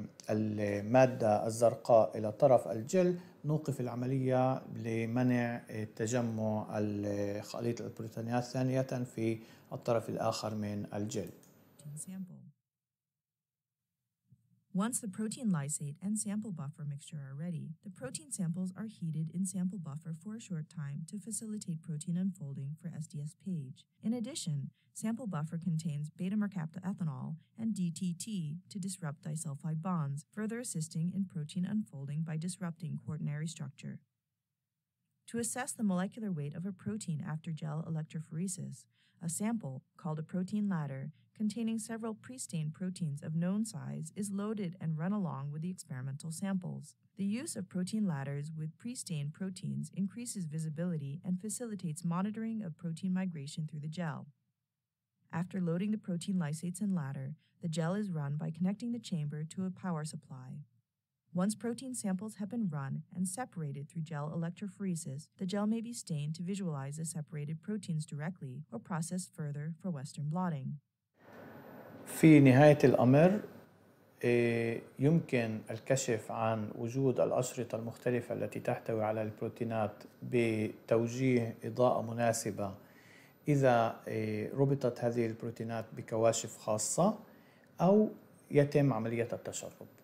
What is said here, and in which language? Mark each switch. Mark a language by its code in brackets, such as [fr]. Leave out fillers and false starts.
[ar] المادة الزرقاء إلى طرف الجل نوقف العملية لمنع تجمع خليط البروتينات ثانية في الطرف الآخر من الجل. [en] Once the protein lysate and sample buffer mixture are ready, the protein samples are heated in sample buffer for a short time to facilitate protein unfolding for SDS page. In addition, sample buffer contains beta-mercapta ethanol and DTT to disrupt disulfide bonds, further assisting in protein unfolding by disrupting quaternary structure. To assess the molecular weight of a protein after gel electrophoresis, a sample, called a protein ladder, containing several pre-stained proteins of known size is loaded and run along with the experimental samples. The use of protein ladders with pre-stained proteins increases visibility and facilitates monitoring of protein migration through the gel. After loading the protein lysates and ladder, the gel is run by connecting the chamber to a power supply. Once protein samples have been run and separated through gel electrophoresis, the gel may be stained to visualize the separated proteins directly or processed further for Western blotting. [ar] في نهاية الأمر يمكن الكشف عن وجود الأشرطة المختلفة التي تحتوي على البروتينات بتوجيه إضاءة مناسبة إذا ربطت هذه البروتينات بكواشف خاصة أو يتم عملية التشرب.